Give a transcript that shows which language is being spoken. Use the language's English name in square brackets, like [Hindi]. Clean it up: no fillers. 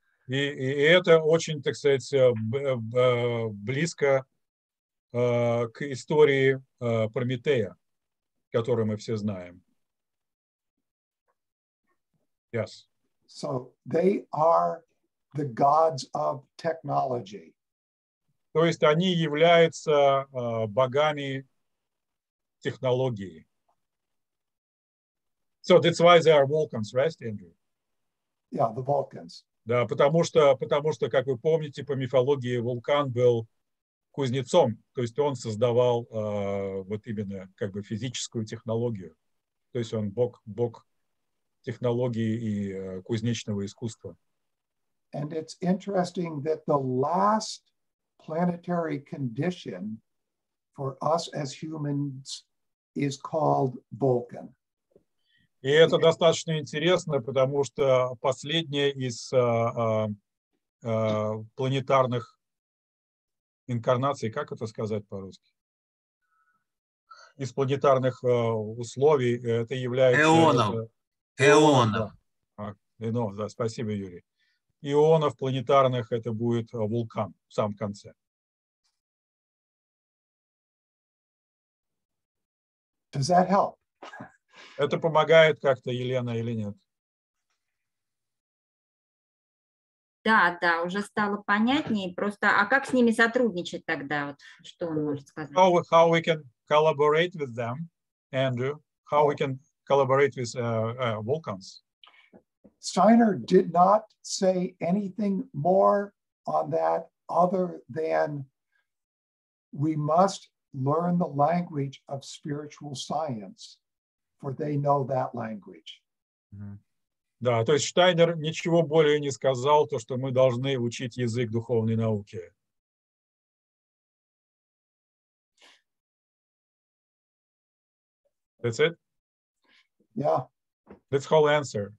[Russian] И это очень, так сказать, близко к истории Прометея, которую мы все знаем. [English] Yes. So they are the gods of technology. [Russian] То есть они являются богами технологии. [English] So that's why they are Vulcans, right, Andrew? Yeah, the Vulcans. [Russian] Да, потому что, как вы помните, по мифологии вулкан был кузнецом, то есть он создавал вот именно как бы физическую технологию, то есть он бог технологии и кузнечного искусства. [English] And it's interesting that the last planetary condition for us as humans is called Vulcan. [Russian] И это достаточно интересно, потому что последняя из планетарных инкарнаций, как это сказать по-русски? Из планетарных условий это является... Эонов. Эонов, да, спасибо, Юрий. Эонов планетарных это будет вулкан в самом конце. [English] Does that help? [Russian] Это помогает как-то, Елена, или нет? Да, да, уже стало понятнее. Просто, а как с ними сотрудничать тогда? Вот, что он может сказать? [English] How we can collaborate with them, Andrew? How we can collaborate with Vulcans? Steiner did not say anything more on that other than we must learn the language of spiritual science, for they know that language. Mm-hmm. [Russian] Да, то есть Штайнер ничего более не сказал, то, что мы должны учить язык духовной науки. [English] That's it? Yeah. That's whole answer.